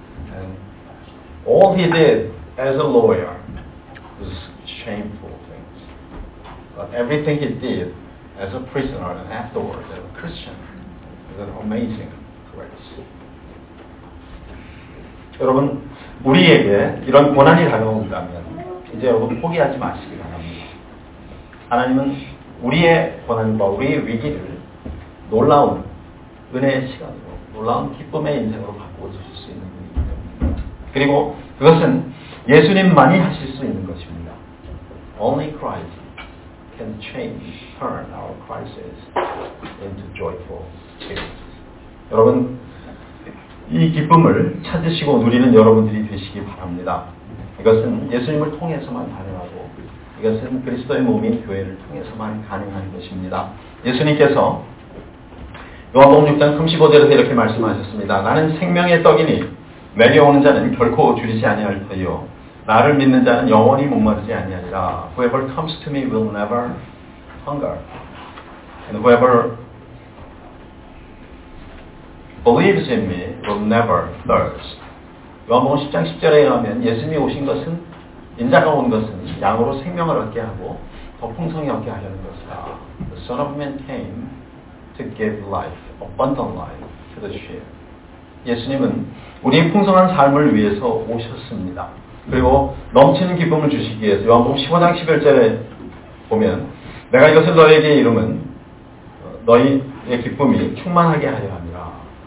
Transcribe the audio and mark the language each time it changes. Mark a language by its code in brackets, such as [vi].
[en] And all he did as a lawyer was shameful things. But everything he did as a prisoner and afterwards as a Christian is an amazing grace. [ko] 여러분 우리에게 이런 고난이 다가온다면 이제 여러분 포기하지 마시기 바랍니다. 하나님은 우리의 고난과 우리의 위기를 놀라운 은혜의 시간으로 놀라운 기쁨의 인생으로 바꾸어 주실 수 있는 분이기 때문입니다. 그리고 그것은 예수님만이 하실 수 있는 것입니다. [en] Only Christ can change, turn our crisis into joyful experience. [ko] 여러분 이 기쁨을 찾으시고 누리는 여러분들이 되시기 바랍니다. 이것은 예수님을 통해서만 가능하고 이것은 그리스도의 몸인 교회를 통해서만 가능한 것입니다. 예수님께서 요한복음 6장 35절에서 이렇게 말씀하셨습니다. 나는 생명의 떡이니 내려오는 자는 결코 줄이지 아니할 터이요 나를 믿는 자는 영원히 목마르지 아니하리라. [en] Whoever comes to me will never hunger. And whoever believes in me will never thirst. [ko] 요한복음 10장 10절에 의하면 예수님이 오신 것은 인자가 온 것은 양으로 생명을 얻게 하고 더 풍성히 얻게 하려는 것이다. [en] The Son of Man came to give life, abundant life to the sheep. [ko] 예수님은 우리의 풍성한 삶을 위해서 오셨습니다. 그리고 넘치는 기쁨을 주시기 위해서 요한복음 15장 11절에 보면 내가 이것을 너희에게 이르면 너희의 기쁨이 충만하게 하려 합니다.